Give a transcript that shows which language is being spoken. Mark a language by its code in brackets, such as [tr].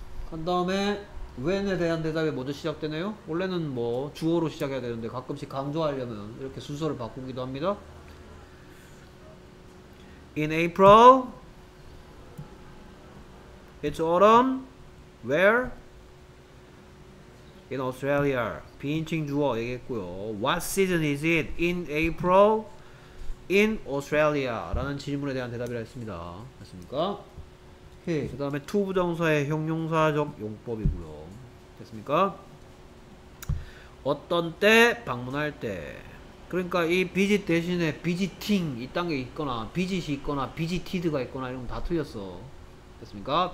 [ko] 한 다음에 when에 대한 대답이 먼저 시작되네요. 원래는 뭐 주어로 시작해야 되는데 가끔씩 강조하려면 이렇게 순서를 바꾸기도 합니다. [en] In April, it's autumn. Where? In Australia. [ko] 비인칭 주어 얘기했고요. [en] What season is it in April in Australia? [ko] 라는 질문에 대한 대답이라 했습니다. 맞습니까? 오케이. 그 다음에 to 부정사의 형용사적 용법이고요. 됐습니까? 어떤 때 방문할 때. 그러니까 이 visit 대신에 visiting 이딴 게 있거나 visit이 있거나 visited가 있거나 이런 건 다 틀렸어. 됐습니까?